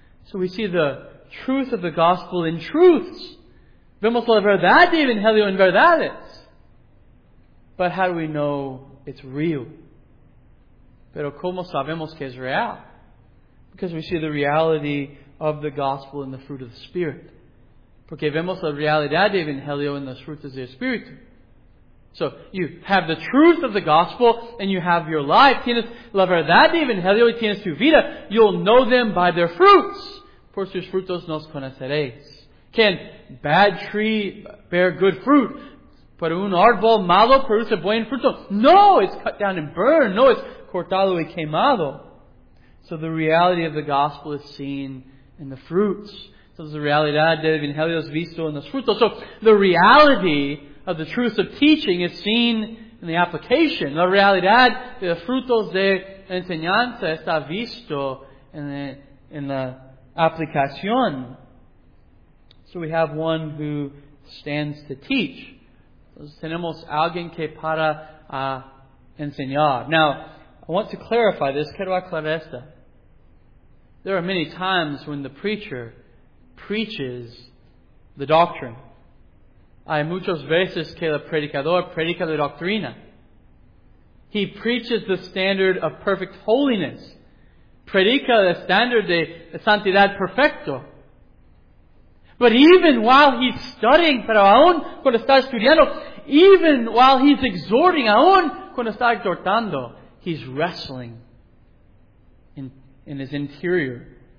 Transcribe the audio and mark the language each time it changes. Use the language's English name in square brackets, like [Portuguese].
[English] So we see the truth of the gospel in truths. [Spanish] Vemos la verdad de evangelio en verdades. [English] But how do we know it's real? [Spanish] Pero cómo sabemos que es real? [English] Because we see the reality of the gospel in the fruit of the Spirit. [Spanish] Porque vemos la realidad de evangelio en los frutos del Espíritu. [English] So, you have the truth of the gospel and you have your life. [Spanish] Tienes la verdad de evangelio y tienes tu vida. [English] You'll know them by their fruits. [Spanish] Por sus frutos nos conoceréis. [English] Can bad tree bear good fruit? [Spanish] Pero un árbol malo produce buen fruto? [English] No, it's cut down and burned. No, it's [Spanish] cortado y quemado. [English] So the reality of the gospel is seen in the fruits. So the [Spanish] realidad del evangelio es visto en los frutos. [English] So the reality of the truth of teaching is seen in the application. [Spanish] La realidad de los frutos de enseñanza está visto en la aplicación. [English] So we have one who stands to teach. [Spanish] Entonces tenemos alguien que para enseñar. [English] Now, I want to clarify this. [Spanish] Quiero aclarar esto. [English] There are many times when the preacher preaches the doctrine. [Spanish] Hay muchas veces que el predicador predica la doctrina. [English] He preaches the standard of perfect holiness. [Spanish] Predica el standard de santidad perfecto. [English] But even while he's studying, [Spanish] pero aún cuando está estudiando, [English] even while he's exhorting, [Spanish] aún cuando está exhortando, [English] he's wrestling in his interior.